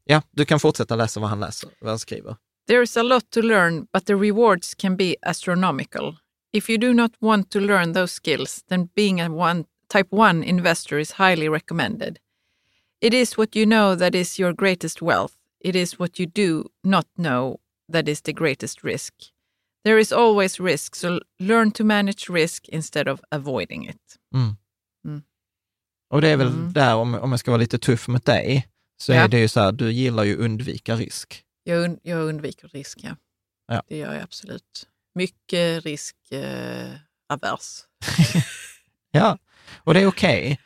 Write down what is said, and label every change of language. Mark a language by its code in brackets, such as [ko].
[sv] Du kan fortsätta läsa vad han skriver. [en] There is a lot to learn, but the rewards can be astronomical. If you do not want to learn those skills, then being a type 1 investor is highly recommended. It is what you know that is your greatest wealth. It is what you do not know that is the greatest risk. There is always risk, so learn to manage risk instead of avoiding it. Mm. Mm. [sv] Och det är väl där, om jag ska vara lite tuff mot dig, så är det ju så här, du gillar ju undvika risk. Jag undviker risk, ja. Ja. Det gör jag absolut. Mycket risk avers. Ja, och det är okej. Okay.